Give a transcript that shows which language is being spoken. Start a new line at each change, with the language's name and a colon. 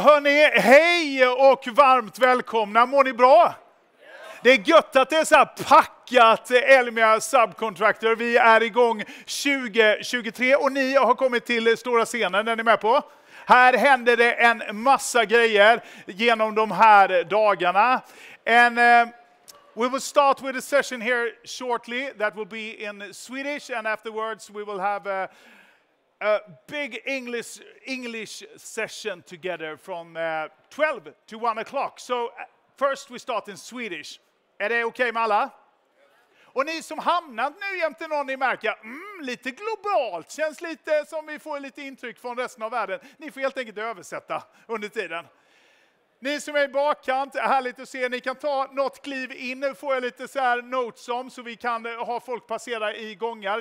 Swedish: Hörni, hej och varmt välkomna. Mår ni bra? Det är gött att det är så här packat, Elmia Subcontractor. Vi är igång 2023 och ni har kommit till stora scenen. Är ni med på? Här händer det en massa grejer genom de här dagarna.
English: And we will start with a session here shortly that will be in Swedish and afterwards we will have a big English session together from 12 to 1 o'clock. So first we start in Swedish.
Swedish: Är det okej med alla? Och ni som hamnat nu jämte någon, ni märker lite globalt. Känns lite som vi får lite intryck från resten av världen. Ni får helt enkelt översätta under tiden. Ni som är i bakkant, härligt att se. Ni kan ta något kliv in. Nu får jag lite så här notes om så vi kan ha folk passera i gångar.